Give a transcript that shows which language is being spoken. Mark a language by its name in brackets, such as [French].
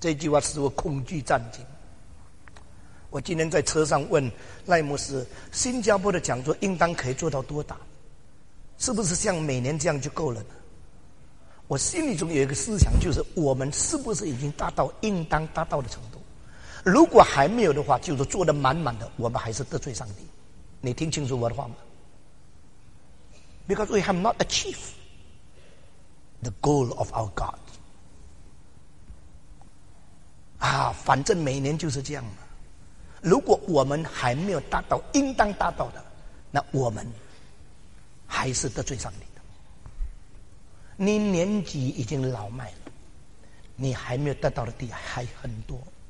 [Chinese] 这句话使我恐惧战惊。我今天在车上问赖牧师：“新加坡的讲座应当可以做到多大？是不是像每年这样就够了呢？” 我心里中有一个思想，就是我们是不是已经达到应当达到的程度？如果还没有的话，就是做得满满的，我们还是得罪上帝。你听清楚我的话吗？ [English] Because we have not achieved the goal of our God. [Chinese] 啊，反正每年就是这样嘛。如果我们还没有达到应当达到的，那我们还是得罪上帝。你年纪已经老迈了，你还没有得到的地还很多。